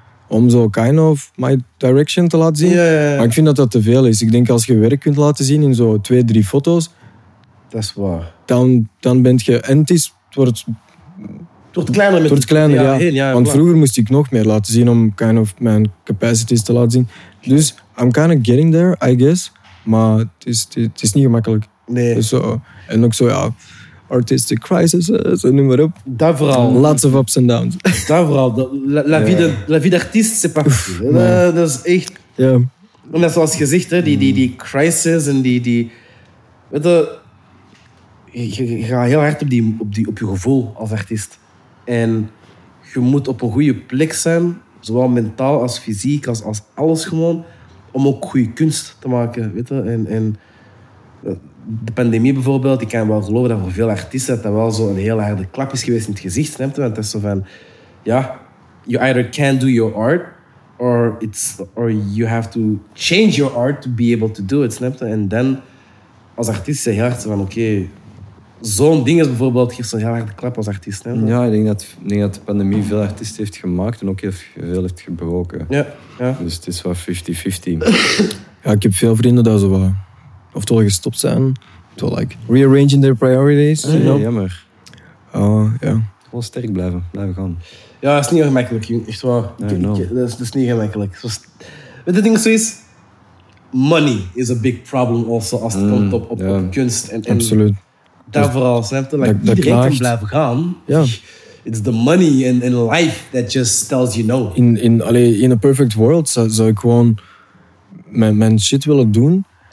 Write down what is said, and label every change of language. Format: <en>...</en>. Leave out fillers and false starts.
<nl>Om zo</nl> <en>kind of my direction</en> <nl>te laten zien. Ja, ja, ja. Maar ik vind dat dat te veel is. Ik denk als je werk kunt laten zien in zo 2-3 foto's. Dat is waar. Dan ben je. En het wordt kleiner met het kleiner, ja. Want vroeger moest ik nog meer laten zien om kind of mijn capacities te laten zien. Dus</nl> <en>I'm kind of getting there, I guess.</en> <nl>Maar het is niet gemakkelijk. Nee. Dus zo, en ook zo, ja. Artistic crisis, zo noem maar op. Dat vooral.</nl> <en>Lots of ups and downs.</en> <nl>Dat vooral.</nl> <fr>La vie d'artiste, c'est pas.</fr> <nl>Dat is echt. Ja. En dat is zoals gezegd, hè, die crisis en die. Weet je. Je gaat heel hard op je gevoel als artiest. En je moet op een goede plek zijn, zowel mentaal als fysiek, als alles gewoon, om ook goede kunst te maken. Weet je? En de pandemie bijvoorbeeld, ik kan wel geloven dat voor veel artiesten dat wel zo een heel harde klap is geweest in het gezicht. Want het is zo van,</nl> <en>ja, you either can do your art, or you have to change your art to be able to do it.</en> <nl>Snap je? En dan, als artiest, zeg je hard van, oké, zo'n ding is bijvoorbeeld, geeft zo'n heel harde klap als artiest. Hè? Ja, ik denk dat de pandemie veel artiesten heeft gemaakt en ook veel heeft gebroken. Ja, ja. Dus het is wel 50-50. Ja, ik heb veel vrienden daar zo wel. Of toch gestopt zijn. Toch</nl> <en>like rearranging their priorities.</en> <nl>Nee, nope. Jammer. Ja. Gewoon sterk blijven. Blijven gaan. Ja, dat is niet gemakkelijk. Echt waar. Dat is niet gemakkelijk. Maar de ding is zoiets.</nl> <en>Money is a big problem also.</en> <nl>Als het komt op kunst. En absoluut. Daar vooral, snap je? Like, dat iedereen kan blijven gaan. Ja.</nl> <en>It's the money and life that just tells you no. In a perfect world</en> <nl>zou ik gewoon mijn shit willen doen.</nl>